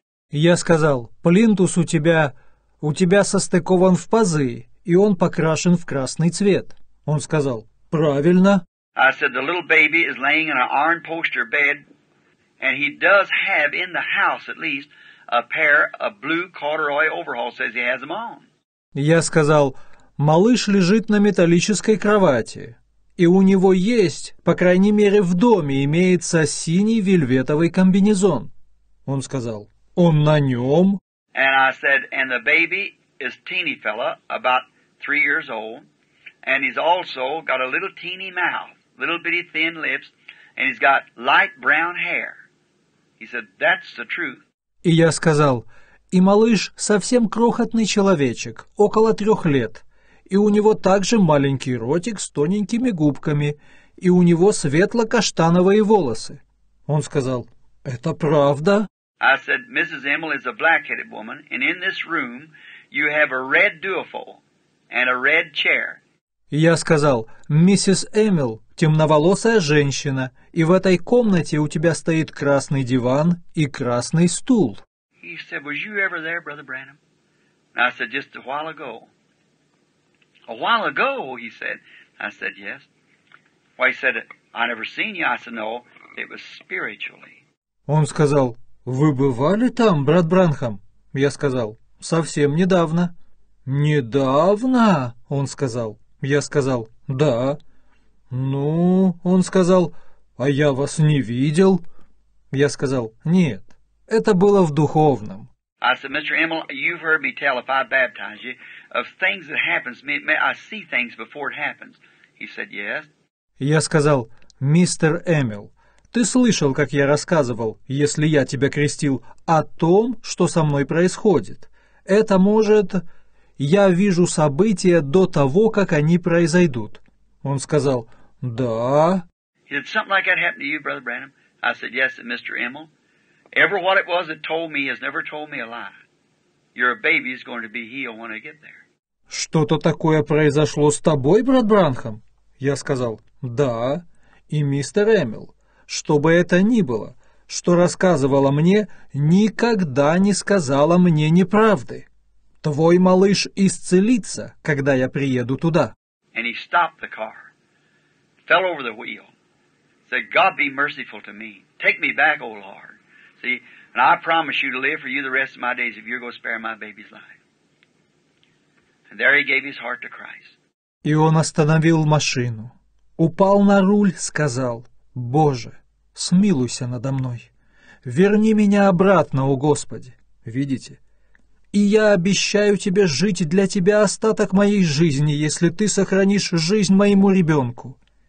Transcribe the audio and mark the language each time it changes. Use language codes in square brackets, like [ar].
[ru] Я сказал, плинтус у тебя состыкован в пазы, и он покрашен в красный цвет. Он сказал, правильно. [en] I said, the little baby is laying in an iron poster bed, and he does have in the house at least a pair of blue corduroy overalls. Says he has them on. [ru] Я сказал, малыш лежит на металлической кровати, и у него есть, по крайней мере, в доме имеется синий вельветовый комбинезон. Он сказал, он на нем. [en] And I said, and the baby is teeny fella, about 3 years old, and he's also got a little teeny mouth, little bitty thin lips, and he's got light brown hair. He said, that's the truth. [ru] И я сказал, и малыш совсем крохотный человечек, около 3 лет, и у него также маленький ротик с тоненькими губками, и у него светло-каштановые волосы. Он сказал, это правда. [en] I said, Mrs. Emily is a black-headed woman, and in this room you have a red duofold and a red chair. [ru] Я сказал, миссис Эмил, темноволосая женщина, и в этой комнате у тебя стоит красный диван и красный стул. [en] He said, was you ever there, Brother Branham? I said, just a while ago. A while ago, he said. I said, yes. Well, he said, I never seen you. I said, no, it was spiritually. [ru] Он сказал, вы бывали там, брат Бранхам? Я сказал, совсем недавно. Недавно, он сказал. Я сказал, да. Ну, он сказал, а я вас не видел. Я сказал, нет, это было в духовном. [en] I said, Mr. Emil, you've heard me tell, if I baptize you, of things that happens, may I see things before it happens. He said, yes. [ru] Я сказал, мистер Эмил, ты слышал, как я рассказывал, если я тебя крестил, о том, что со мной происходит. Это может... Я вижу события до того, как они произойдут. Он сказал, да. [en] Did something like that happen to you, Brother Branham? I said, yes, Mr. Emil. Ever what it was that told me has never told me a lie. Your baby is going to be healed when I get there. [ru] Что-то такое произошло с тобой, брат Бранхам? Я сказал, да. И мистер Эмил, что бы это ни было, что рассказывала мне, никогда не сказала мне неправды. Твой малыш исцелится, когда я приеду туда. [en] And he stopped the car, fell over the wheel, said, God be merciful to me. Take me back, O Lord. See, and I promise you to live for you the rest of my days if you're going to spare my baby's life. And there he gave his heart to Christ. [ru] И он остановил машину, упал на руль, сказал, Боже, смилуйся надо мной. Верни меня обратно, о Господи. Видите? И я обещаю тебе жить для тебя остаток моей жизни, если ты сохранишь жизнь моему ребенку.